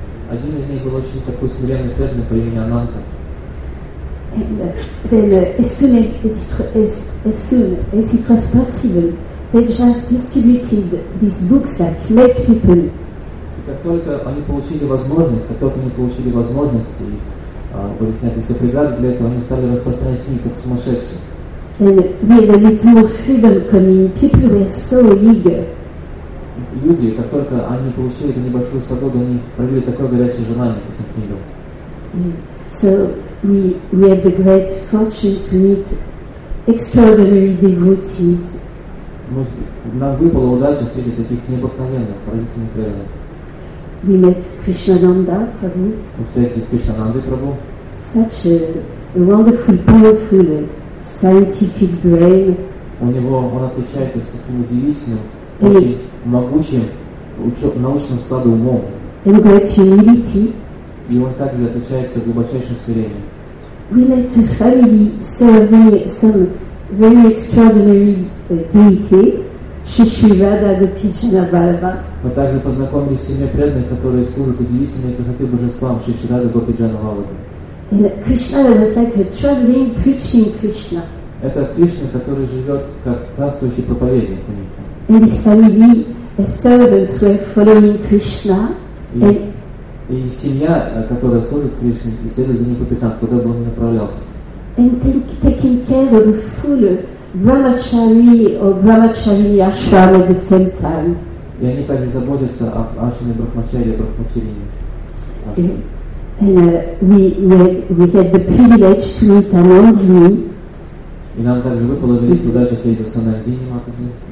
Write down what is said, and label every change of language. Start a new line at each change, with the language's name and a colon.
Russian: Один из них был очень такой смиренный преданный по имени Ананта.
English: And then as soon as it was possible, they just distributed these books that met people.
Russian: Как только они получили возможность, и были сняты все преграды для этого, они стали распространять книги как сумасшедшие. Люди, как только они получили эту небольшую свободу, они проявили такое горячее желание к этим книгам.
English: So we had the great fortune to meet extraordinary devotees.
Russian: Нам выпала удача встретить таких необыкновенных, поразительных преданных.
English: We met Krishnananda Prabhu.
Russian: Мы встретились с Кришнанандой Прабху.
English: Such a wonderful, powerful, scientific brain.
Russian: У него он отличается с таким удивительным, очень могучим научным складом умом.
English: And great humility.
Russian: И он также отличается глубочайшим смирением.
English: We met a family serving some very extraordinary deities.
Russian: Шишивада Гопичина Бальба. Мы также познакомились с семьей преданных, которые служат удивительной красоты божествам Шишивада Гопичина Бальба.
English: And Krishna was like a traveling preaching Krishna.
Russian: Это Кришна, который живет как таствующий проповедник.
English: And his family, his servants were following Krishna.
Russian: И семья, которая служит Кришне, и следует за ним по пятам, куда бы он ни направлялся.
English: And taking care of a full brahmachari or brahmachari ashram at the same time.
Russian: И они также заботятся о ашраме брахмачари и брахмачарине.
English: And we had the privilege to meet Anandini.
Russian: И нам также выпало великое удача встретиться с Анандини Матаджи.